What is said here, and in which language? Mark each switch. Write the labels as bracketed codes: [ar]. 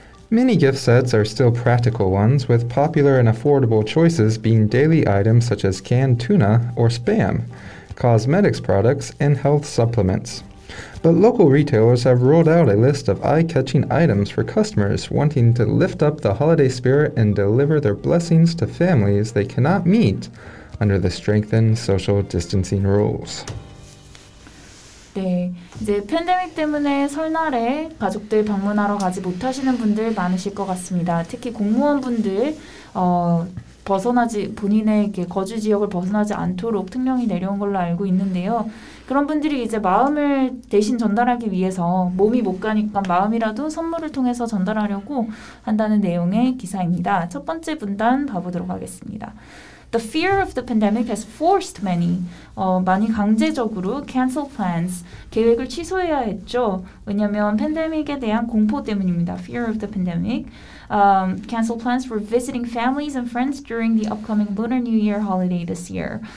[en] Many gift sets are still practical ones, with popular and affordable choices being daily items such as canned tuna or spam, cosmetics products, and health supplements. But local retailers have rolled out a list of eye-catching items for customers wanting to lift up the holiday spirit and deliver their blessings to families they cannot meet under the strengthened social distancing rules. [ko] 네, 이제 팬데믹 때문에 설날에 가족들 방문하러 가지 못하시는 분들 많으실 것 같습니다. 특히 공무원분들 벗어나지 본인의 거주 지역을 벗어나지 않도록 특령이 내려온 걸로 알고 있는데요. 그런 분들이 이제 마음을 대신 전달하기 위해서 몸이 못 가니까 마음이라도 선물을 통해서 전달하려고 한다는 내용의 기사입니다. 첫 번째 분단 봐보도록 하겠습니다. [en] The fear of the pandemic has forced many, [ko] 많이 강제적으로 [en] cancel plans, [ko] 계획을 취소해야 했죠. 왜냐하면 팬데믹에 대한 공포 때문입니다. [en] Fear of the pandemic. Cancel plans for visiting families and friends during the upcoming Lunar New Year holiday this year.